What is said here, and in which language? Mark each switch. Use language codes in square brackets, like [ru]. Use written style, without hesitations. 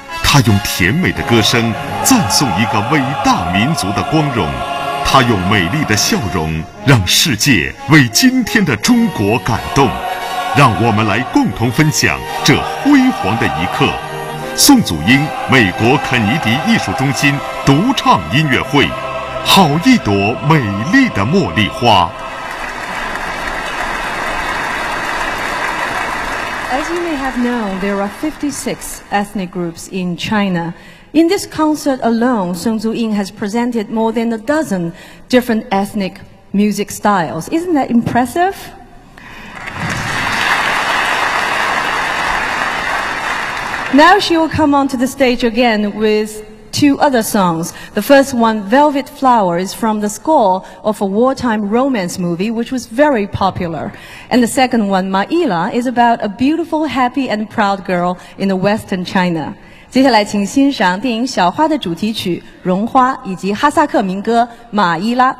[zh] 他用甜美的歌声赞颂一个伟大民族的光荣，他用美丽的笑容让世界为今天的中国感动。让我们来共同分享这辉煌的一刻，宋祖英美国肯尼迪艺术中心独唱音乐会，好一朵美丽的茉莉花。 [en] As you may have known, there are 56 ethnic groups in China. In this concert alone, Song Zuying has presented more than a dozen different ethnic music styles. Isn't that impressive? Now she will come onto the stage again with two other songs. The first one, Velvet Flower, is from the score of a wartime romance movie, which was very popular. And the second one, Ma Yila, is about a beautiful, happy, and proud girl in the Western China. [zh] 接下来请欣赏电影《小花》的主题曲《绒花》以及哈萨克民歌《马伊拉》。